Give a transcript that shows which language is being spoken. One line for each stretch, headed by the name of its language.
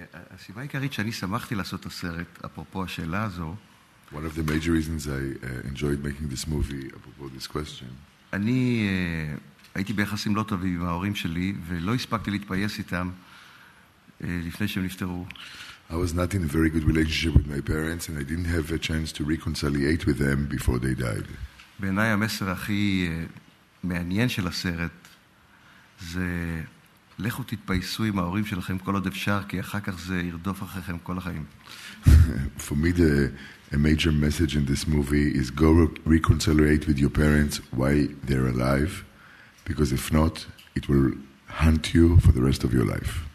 Hebrew: הסיבה העיקרית שאני שמחתי לעשות הסרט, אפרופו השאלה הזו.
English: One of the major reasons I enjoyed making this movie, אפרופו this question.
Hebrew: אני הייתי ביחסים לא טובים עם ההורים שלי, ולא הספקתי להתפייס איתם לפני שהם נפטרו.
English: I was not in a very good relationship with my parents, and I didn't have a chance to reconciliate with them before they died.
Hebrew: בעיניי המסר הכי מעניין של הסרט זה לכו תתפייסו עם ההורים שלכם כל עוד אפשר, כי אחר כך זה ירדוף אחריכם כל החיים.
English: For me, a major message in this movie is go reconciliate with your parents while they're alive, because if not, it will hunt you for the rest of your life.